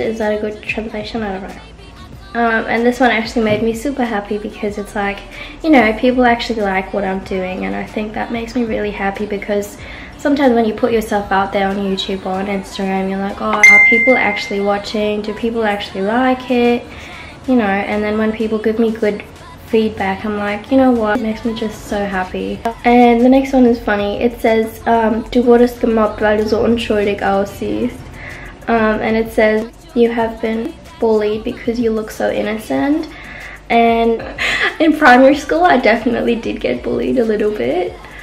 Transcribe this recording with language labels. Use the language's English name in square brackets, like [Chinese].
[English] Is that a good translation? I don't know. And this one actually made me super happy because it's like, you know, people actually like what I'm doing, and I think that makes me really happy because sometimes when you put yourself out there on YouTube or on Instagram, you're like, oh, are people actually watching? Do people actually like it? You know, and then when people give me good feedback, I'm like, you know what? It makes me just so happy. And the next one is funny. It says, [German] du wurdest gemobbt, weil du so unschuldig aussiehst. [English] And it says, you have been bullied because you look so innocent. And in primary school, I definitely did get bullied a little bit.